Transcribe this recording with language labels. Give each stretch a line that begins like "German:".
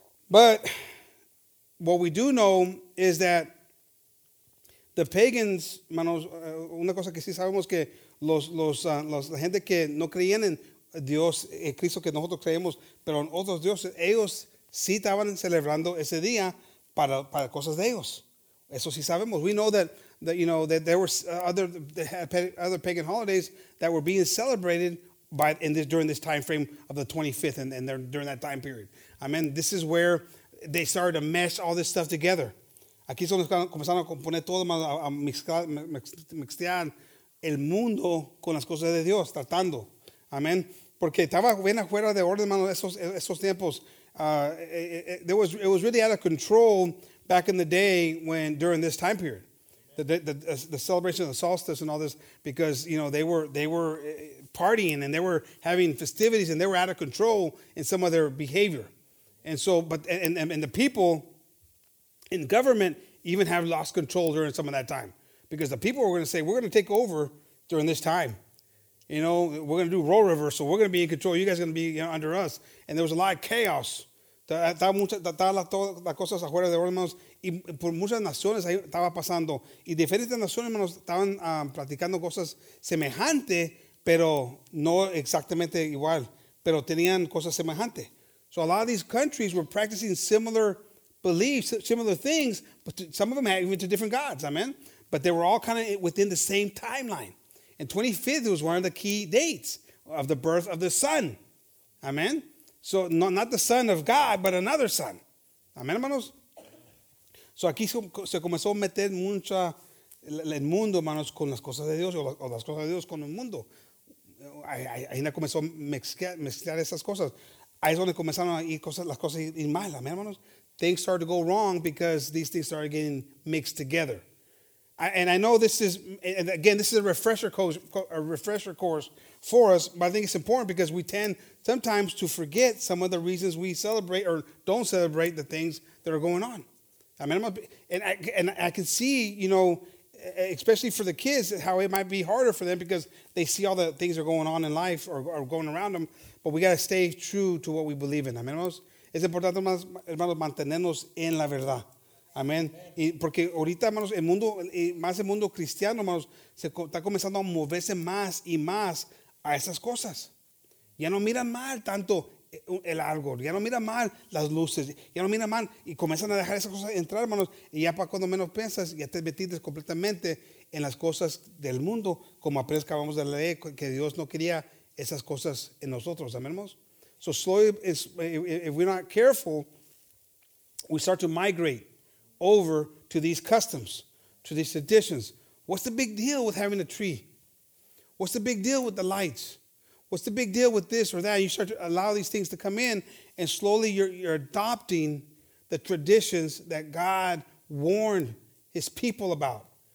English: But what we do know is that the pagans,
Spanish: manos, una cosa que sí sabemos que la gente que no creían en Dios, en Cristo que nosotros creemos, pero en otros dioses, ellos sí estaban celebrando ese día para cosas de ellos. Eso sí sabemos.
English: We know that you know that there were other pagan holidays that were being celebrated during this time frame of the 25th and during that time period. I mean, this is where they started to mesh all this stuff together.
Spanish: Aquí son los que comenzaron a componer todo, a mixtear el mundo con las cosas de Dios, tratando. Amén. Porque estaba bien afuera de orden, hermano, esos tiempos.
English: It was really out of control back in the day during this time period. The celebration of the solstice and all this, because, you know, they were partying and they were having festivities and they were out of control in some of their behavior. And so, but the people in government even have lost control during some of that time, because the people were going to say, we're going to take over during this time. You know, we're going to do role reversal. We're going to be in control. You guys are going to be, you know, under us. And there was a lot of chaos.
Spanish: Las cosas afuera de hermanos, y por muchas naciones ahí estaba pasando. Y diferentes naciones, hermanos, estaban platicando cosas semejantes, pero no exactamente igual, pero tenían cosas semejantes.
English: So a lot of these countries were practicing similar beliefs, similar things, but some of them had even to different gods, amen? But they were all kind of within the same timeline. And 25th was one of the key dates of the birth of the sun, amen? So not the son of God, but another son. Amen, hermanos?
Spanish: So aquí se comenzó a meter mucho el mundo, hermanos, con las cosas de Dios o las cosas de Dios con el mundo. Ahí comenzó a mezclar esas cosas. Ahí es donde comenzaron a ir las cosas ir mal, amén, hermanos.
English: Things started to go wrong because these things started getting mixed together. I know this is, and again, this is a refresher course for us, but I think it's important because we tend sometimes to forget some of the reasons we celebrate or don't celebrate the things that are going on. I mean, I can see, you know, especially for the kids, how it might be harder for them because they see all the things that are going on in life or going around them, but we got to stay true to what we believe in. I mean,
Spanish: es importante, hermanos, mantenernos en la verdad. Amén. Porque ahorita, hermanos, el mundo, más el mundo cristiano, hermanos, se está comenzando a moverse más y más a esas cosas. Ya no mira mal tanto el árbol, ya no mira mal las luces, ya no mira mal, y comienzan a dejar esas cosas entrar, hermanos, y ya para cuando menos piensas, ya te metiste completamente en las cosas del mundo, como apenas acabamos de leer que Dios no quería esas cosas en nosotros. Amén, hermanos.
English: So slowly, if we're not careful, we start to migrate over to these customs, to these traditions. What's the big deal with having a tree? What's the big deal with the lights? What's the big deal with this or that? You start to allow these things to come in, and slowly you're adopting the traditions that God warned his people about.